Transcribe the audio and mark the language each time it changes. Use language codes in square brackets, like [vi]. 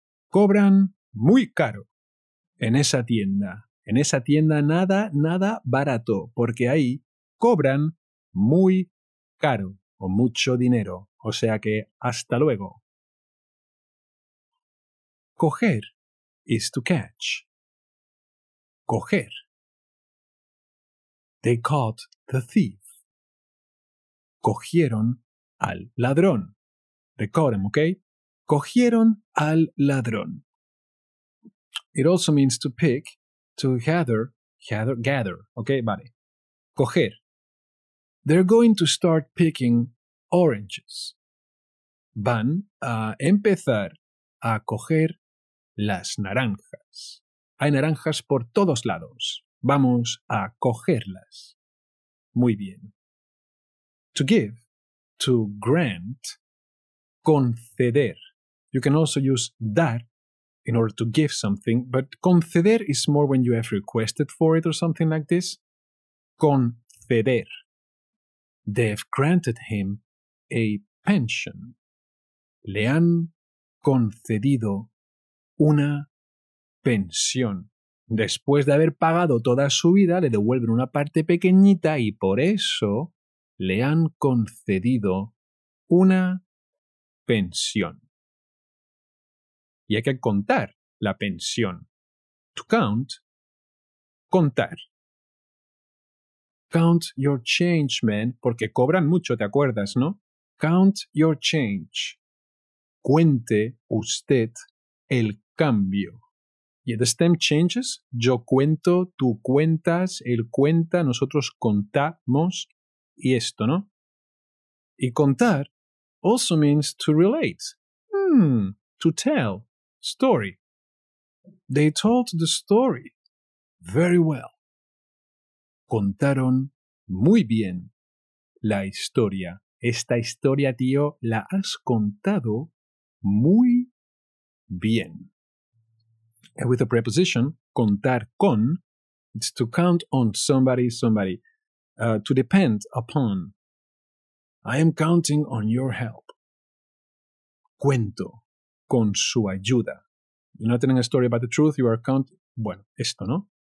[es] Cobran muy caro en esa tienda. En esa tienda nada barato, porque ahí cobran muy caro o mucho dinero. O sea que hasta luego. [en] Coger is to catch. Coger. They caught the thief. [es] Cogieron al ladrón. [en] They caught him, okay? [es] Cogieron al ladrón. [en] It also means to pick, to gather, okay? Vale. Coger. They're going to start picking oranges. [es] Van a empezar a coger las naranjas. Hay naranjas por todos lados. Vamos a cogerlas. Muy bien. [en] To give, to grant, conceder. You can also use dar in order to give something, but conceder is more when you have requested for it or something like this. Conceder. They've granted him a pension. [es] Le han concedido una pensión. Después de haber pagado toda su vida, le devuelven una parte pequeñita y por eso le han concedido una pensión. Y hay que contar la pensión. [en] To count, [es] contar. [en] Count your change, man, [es] porque cobran mucho, ¿te acuerdas, no? [en] Count your change. [es] Cuente usted el cambio. Y [en] the stem changes, [es] yo cuento, tú cuentas, él cuenta, nosotros contamos, y esto, ¿no? [en] Y contar also means to relate, to tell, story. They told the story very well. [es] Contaron muy bien la historia. Esta historia, tío, la has contado muy bien. [en] And with a preposition, contar con, it's to count on somebody, to depend upon. I am counting on your help. [es] Cuento con su ayuda. [en] You're not telling a story about the truth, you are counting, [es] bueno, esto, ¿no?